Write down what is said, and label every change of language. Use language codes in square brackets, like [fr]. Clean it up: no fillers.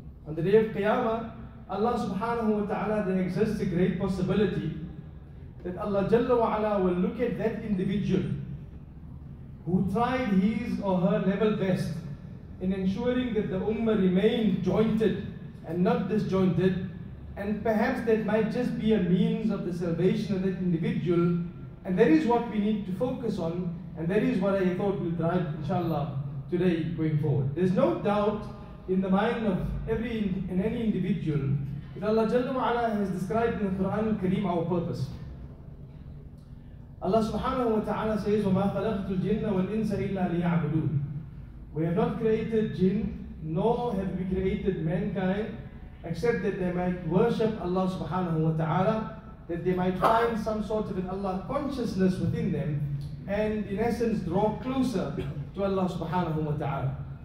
[en] On the day of Qiyamah, Allah subhanahu wa ta'ala, there exists a great possibility that Allah Jalla wa Ala will look at that individual who tried his or her level best in ensuring that the Ummah remained jointed and not disjointed, and perhaps that might just be a means of the salvation of that individual, and that is what we need to focus on, and that is what I thought will drive inshallah today going forward. There's no doubt in the mind of any individual that Allah Jalla wa Ala has described in the Quran al-Kareem our purpose. [ar] Allah subhanahu wa ta'ala says, وَمَا خَلَقْتُ الْجِنَّ وَالْإِنسَ إِلَّا لِيَعْبُدُونَ. [en] We have not created jinn, nor have we created mankind, except that they might worship Allah subhanahu wa ta'ala, that they might find some sort of an Allah consciousness within them, and in essence draw closer to Allah subhanahu wa ta'ala.